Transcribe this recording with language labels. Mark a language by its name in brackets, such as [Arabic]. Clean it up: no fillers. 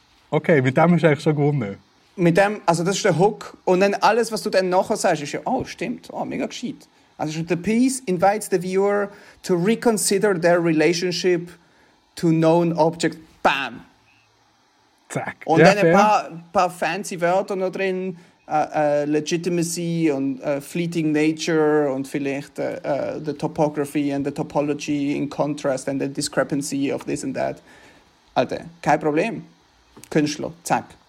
[German] Okay, mit dem hast du eigentlich schon gewonnen. Mit dem, also das ist der Hook. Und dann alles, was du dann nachher sagst, ist ja, oh, stimmt, oh, mega gescheit. [English] Also the piece invites the viewer to reconsider their relationship to known object. Bam! Zack. [German] Und dann ein paar fancy Wörter noch drin. [English] Legitimacy und fleeting nature [German] und vielleicht [English] the topography and the topology in contrast and the discrepancy of this and that. [German] Alter, kein Problem. Künstler, zack.